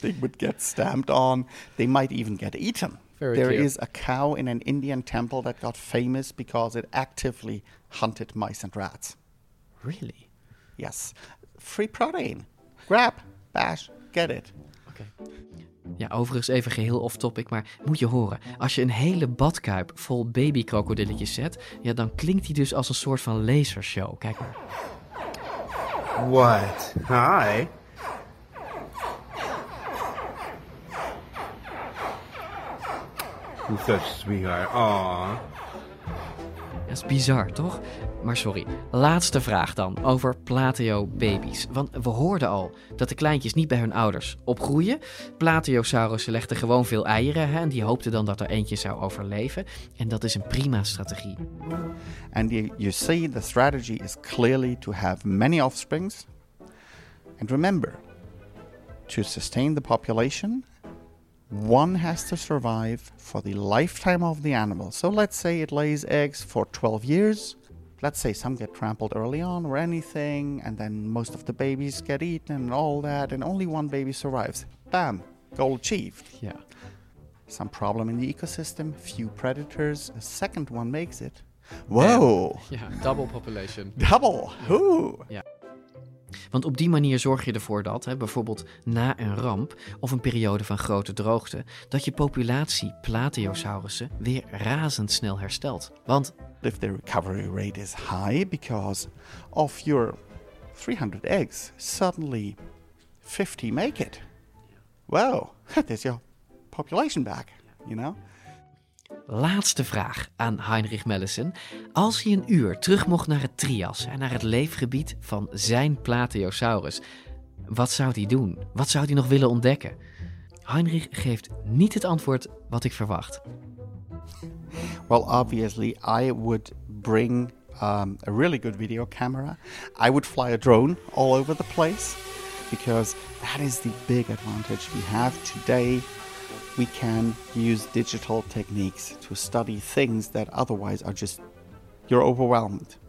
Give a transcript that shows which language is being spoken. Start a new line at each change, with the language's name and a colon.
English: They would get stamped on. They might even get eaten. There is a cow in an Indian temple that got famous because it actively hunted mice and rats. Really? Yes. Free protein. Grab, bash, get it. Okay.
Dutch: Ja, overigens even geheel off-topic, maar moet je horen. Als je een hele badkuip vol babykrokodilletjes zet, ja, dan klinkt die dus als een soort van lasershow. Kijk maar.
English: What? Hi. Who's such a sweetheart? Aww.
Dutch: Dat is bizar, toch? Maar sorry, laatste vraag dan over plateobaby's. Want we hoorden al dat de kleintjes niet bij hun ouders opgroeien. Plateosaurussen legden gewoon veel eieren, hè, en die hoopten dan dat er eentje zou overleven. En dat is een prima strategie.
English: And you see, the strategy is clearly to have many offsprings. And remember, to sustain the population, one has to survive for the lifetime of the animal. So let's say it lays eggs for 12 years. Let's say some get trampled early on or anything, and then most of the babies get eaten and all that, and only one baby survives. Bam, goal achieved. Yeah. Some problem in the ecosystem, few predators, a second one makes it. Whoa. Yeah, double population. Double, who? Yeah.
Dutch: Want op die manier zorg je ervoor dat, hè, bijvoorbeeld na een ramp of een periode van grote droogte, dat je populatie plateosaurussen weer razendsnel herstelt. Want
English: if the recovery rate is high because of your 300 eggs, suddenly 50 make it. Wow, there's your population back, you know?
Dutch: Laatste vraag aan Heinrich Mellissen. Als hij een uur terug mocht naar het Trias en naar het leefgebied van zijn plateosaurus, wat zou hij doen? Wat zou hij nog willen ontdekken? Heinrich geeft niet het antwoord wat ik verwacht.
English: Well, obviously, I would bring a really good video camera. I would fly a drone all over the place. Because that is the big advantage we have today. We can use digital techniques to study things that otherwise are just, you're overwhelmed.